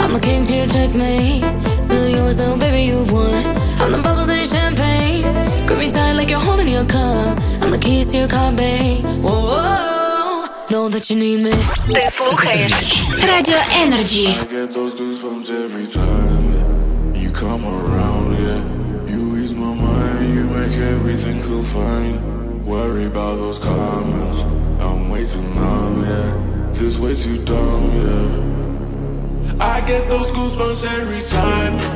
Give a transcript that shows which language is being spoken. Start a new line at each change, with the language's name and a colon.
English: I'm the king to your checkmate. Still yours though, baby, you've won. I'm the bubbles in your champagne. Grip me tight like you're holding your cup. I'm the keys to your car, babe. Whoa, whoa, whoa. Know that you need me.
Russian: Ты слушаешь Radio Energy.
English: I get those goosebumps every time you come around, yeah. You ease my mind, you make everything feel fine. Worry about those comments, I'm way too numb, yeah. This way too dumb, yeah. I get those goosebumps every time.